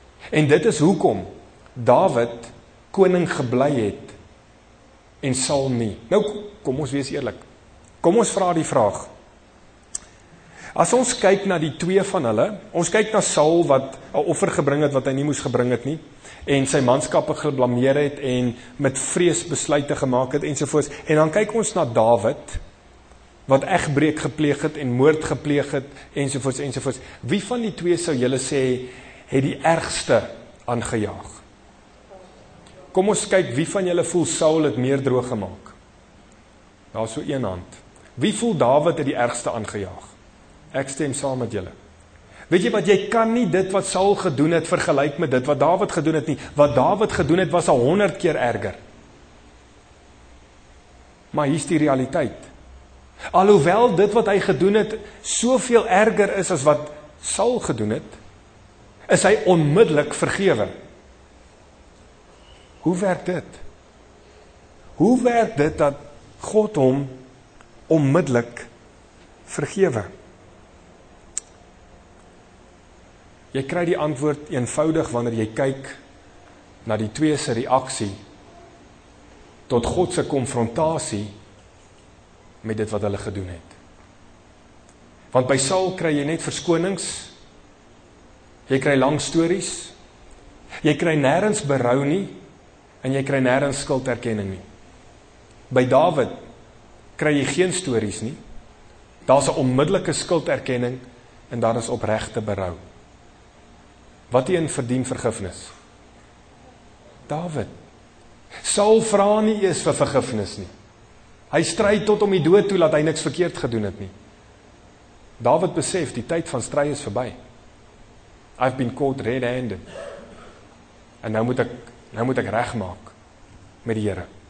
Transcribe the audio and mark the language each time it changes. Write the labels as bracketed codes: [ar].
[af] En dit is hoekom Dawid koning gebly het en Saul nie. Nou kom ons wees eerlik. Kom ons vra die vraag. As ons kyk na die twee van hulle, ons kyk na Saul wat 'n offer gebring het wat hy nie moes gebring het nie, en sy manskappe geblameer het en met vrees besluite gemaak het ensovoorts. En dan kyk ons na Dawid wat egbreek gepleeg het en moord gepleeg het ensovoorts ensovoorts. Wie van die twee sou julle sê het die ergste aangejaag? Kom ons kyk wie van julle voel Saul het meer droog gemaak. Daar's so een hand. Wie voel Dawid het die ergste aangejaag? Ek stem saam met julle. Weet jy wat, jy kan nie dit wat Saul gedoen het vergelyk met dit wat Dawid gedoen het nie. Wat Dawid gedoen het was 100 keer erger. Maar hier is die realiteit. Alhoewel dit wat hy gedoen het soveel erger is as wat Saul gedoen het, is hy onmiddellik vergewe. Hoe werk dit? Hoe werk dit dat God hom onmiddellik vergewe? Jy kry die antwoord eenvoudig wanneer jy kyk na die twee se reaksie tot God se konfrontasie met dit wat hulle gedoen het. Want by Saul kry jy net verskonings, jy kry lang stories, jy kry nêrens berou nie en jy kry nêrens skulderkenning nie. By Dawid kry jy geen stories nie, daar's 'n onmiddellike skulderkenning en daar is opregte berou. Wat een verdien vergifnis? Dawid. Saul vra nie eers vir vergifnis nie. Hy stry tot om die dood toe dat hy niks verkeerd gedoen het nie. Dawid besef, die tyd van stry is verby. [en] I've been caught red-handed. [af] En nou moet ek regmaak met die Here.